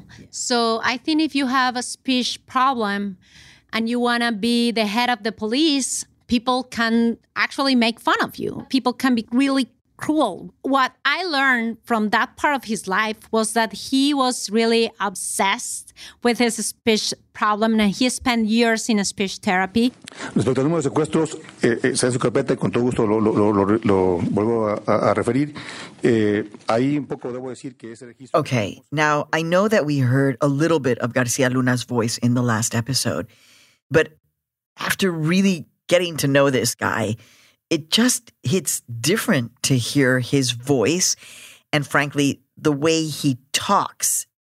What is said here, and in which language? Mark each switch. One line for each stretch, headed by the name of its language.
English: So I think if you have a speech problem and you want to be the head of the police, people can actually make fun of you. People can be really cruel. What I learned from that part of his life was that he was really obsessed with his speech problem, and he spent years in a speech therapy.
Spanish: Respecto al número de secuestros, se hace su carpeta y con todo gusto lo vuelvo a referir. Ahí un poco debo decir que ese registro.
English: Okay, now I know that we heard a little bit of Garcia Luna's voice in the last episode, but after really getting to know this guy, it just hits different to hear his voice and, frankly, the way he talks.